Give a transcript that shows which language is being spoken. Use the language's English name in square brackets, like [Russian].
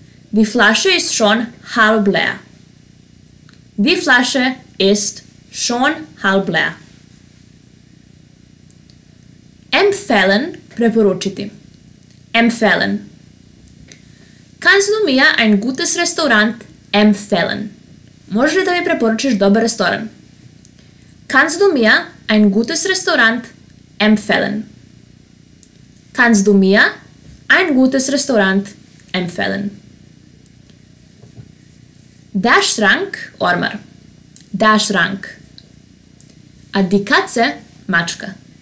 [German] Die Flasche ist schon halb leer. Die Flasche ist schon halb leer. Empfehlen, [Serbian] preporučiti. [German] Empfehlen. Kannst du mir ein gutes Restaurant empfehlen? [Serbian] Možeš li da mi preporučiš dobar restoran? [German] Kannst du mir ein gutes Restaurant empfehlen? Kannst du mir ein gutes Restaurant empfehlen? Der Schrank, [Serbian] ormar. [German] Der Schrank. A die Katze, mačka.